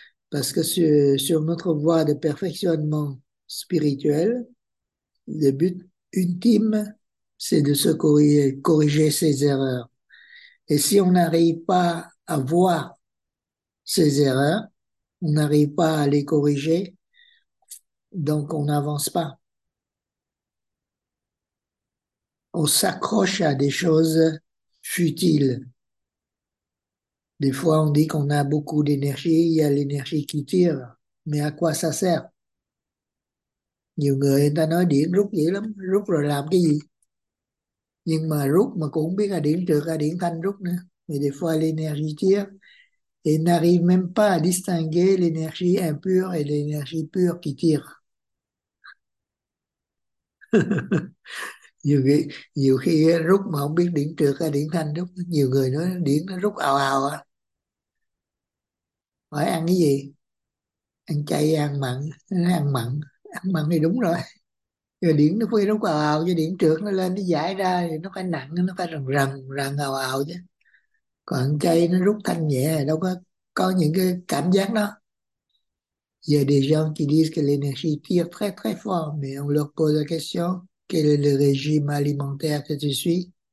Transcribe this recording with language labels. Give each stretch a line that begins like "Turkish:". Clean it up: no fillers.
French: Parce que sur notre voie de perfectionnement spirituel, le but ultime, c'est de se corriger ses erreurs. Et si on n'arrive pas à voir ses erreurs, on n'arrive pas à les corriger, donc on n'avance pas. On s'accroche à des choses futiles. Des fois, on dit qu'on a beaucoup d'énergie, il y a l'énergie qui tire, mais à quoi ça sert?
Vietnamese: Nhiều người ta nói điện rút dữ lắm, rút rồi làm cái gì? Nhưng mà rút mà cũng không biết là điện trượt hay điện thanh rút nữa.
French: Mais des fois, l'énergie tire et n'arrive même pas à distinguer l'énergie impure et l'énergie pure qui tire.
Vietnamese: Nhiều khi rút mà không biết điện trượt hay điện thanh rút. Nhiều người nói điện nó rút ào ào à. Hỏi ăn cái gì? Ăn chay, ăn mặn. Nó ăn mặn. Ăn mặn thì đúng rồi. Rồi điện nó phải rút ào ào chứ, điện trượt nó lên nó giải ra thì nó phải nặng, nó phải rần rần rần ào ào chứ. Còn ăn chay nó rút thanh nhẹ, đâu có những cái cảm giác đó.
French: Giờ des gens qui disent que l'énergie tire très très fort, mais on leur pose la question: quel est le régime alimentaire que tu suis?